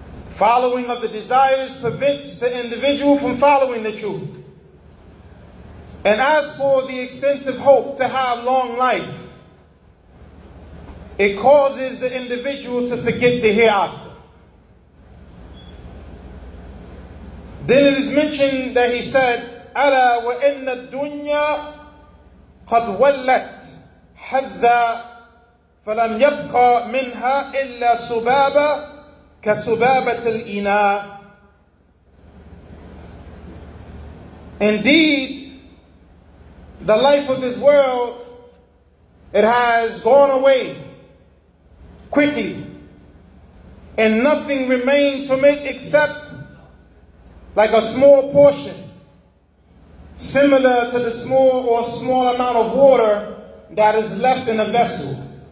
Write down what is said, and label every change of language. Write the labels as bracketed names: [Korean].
[English] Following of the desires prevents the individual from following the truth. And as for the extensive hope to have long life, it causes the individual to forget the hereafter. Then it is mentioned that he said, [Arabic] أَلَا وَإِنَّ الدُّنْيَا قَدْ وَلَّتْ حَذَّا فَلَمْ يَبْقَى مِنْهَا إِلَّا سُبَابَ كَسُبَابَةِ الْإِنَا. [English] Indeed, the life of this world, it has gone away quickly, and nothing remains from it except like a small portion, similar to the small or small amount of water that is left in a vessel.